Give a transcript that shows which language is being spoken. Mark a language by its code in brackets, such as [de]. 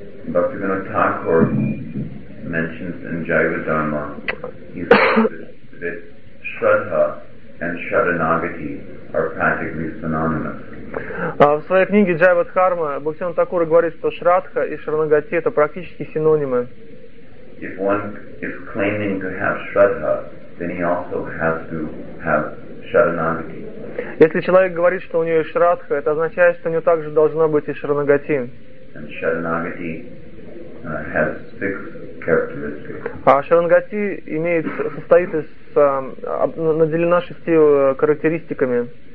[en] Bhaktivinoda Thakur mentions in Jiva Dharma, he says that shraddha and sharanagati are practically synonymous. [ru] В своей книге Jiva Dharma Bhaktivinoda Thakur говорит, что шрадха и шаранагати это практически синонимы. [en] If one is claiming to have shraddha, then he also has to have sharanagati. [ru] Если человек говорит, что у него есть шрадха, это означает, что у него также должна быть и шаранагати. [en] And sharanagati has six characteristics. [ru] А шаранагати состоит из наделена шести характеристиками.